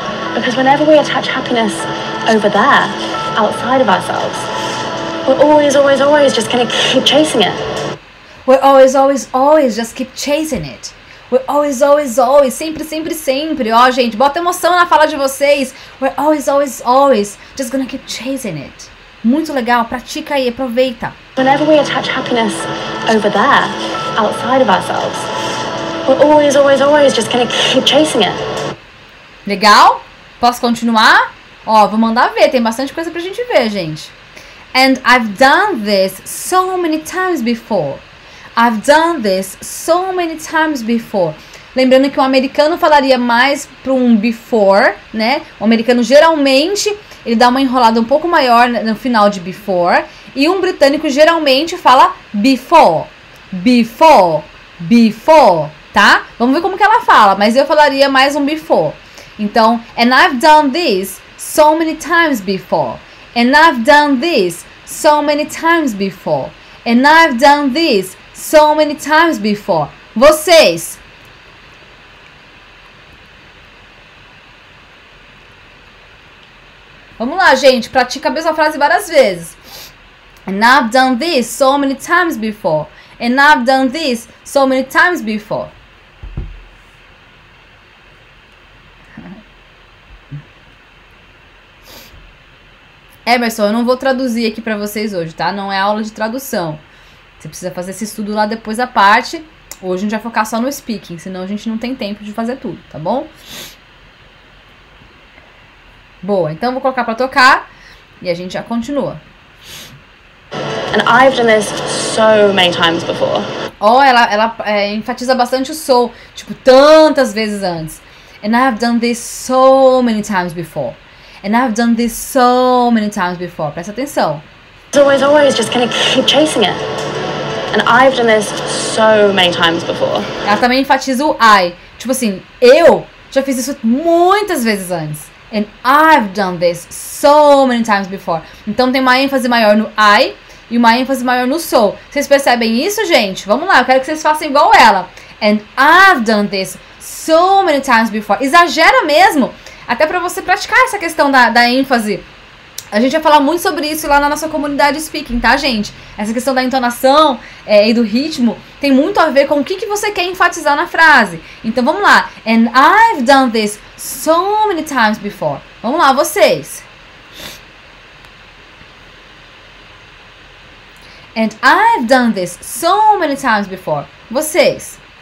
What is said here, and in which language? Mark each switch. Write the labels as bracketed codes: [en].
[en] Because whenever we attach happiness over there, outside of ourselves, we're always, always, always just gonna keep chasing it. We're always, always, always just keep chasing it. We're always, always, always, [pt] sempre, sempre, sempre. Ó, gente, bota emoção na fala de vocês. [en] We're always, always, always just gonna keep chasing it. [pt] Muito legal, pratica aí, aproveita. [en] Whenever we attach happiness over there, outside of ourselves, we're always, always, always just gonna keep chasing it. [pt] Legal? Posso continuar? Ó, vou mandar ver, tem bastante coisa pra gente ver, gente. [en] And I've done this so many times before. I've done this so many times before. [pt] Lembrando que um americano falaria mais pra um before, né? O americano geralmente, ele dá uma enrolada um pouco maior no final de before. E um britânico geralmente fala before, before, before, tá? Vamos ver como que ela fala, mas eu falaria mais um before. [en] Então, and I've done this so many times before. And I've done this so many times before. And I've done this so many times before. Vocês. [pt] Vamos lá, gente. Pratica a mesma frase várias vezes. [en] And I've done this so many times before. And I've done this so many times before. Uh, [pt] Emerson, eu não vou traduzir aqui pra vocês hoje, tá? Não é aula de tradução. Você precisa fazer esse estudo lá depois à parte. Hoje a gente vai focar só no speaking, senão a gente não tem tempo de fazer tudo, tá bom? Boa, então vou colocar pra tocar e a gente já continua. [en] And I've done this so many times before. [pt] Oh, ela enfatiza bastante o soul, tipo, tantas vezes antes. [en] And I've done this so many times before. And I've done this so many times before. [pt] Presta atenção. [en] It's always just gonna keep chasing it. And I've done this so many times before. [pt] Ela também enfatiza o I. Tipo assim, eu já fiz isso muitas vezes antes. [en] And I've done this so many times before. [pt] Então tem uma ênfase maior no I e uma ênfase maior no so. Vocês percebem isso, gente? Vamos lá, eu quero que vocês façam igual ela. [en] And I've done this so many times before. [pt] Exagera mesmo, até pra você praticar essa questão da ênfase. A gente vai falar muito sobre isso lá na nossa comunidade speaking, tá, gente? Essa questão da entonação e do ritmo tem muito a ver com o que você quer enfatizar na frase. Então, vamos lá. [en] And I've done this so many times before. [pt] Vamos lá, vocês. [en] And I've done this so many times before. [pt] Vocês.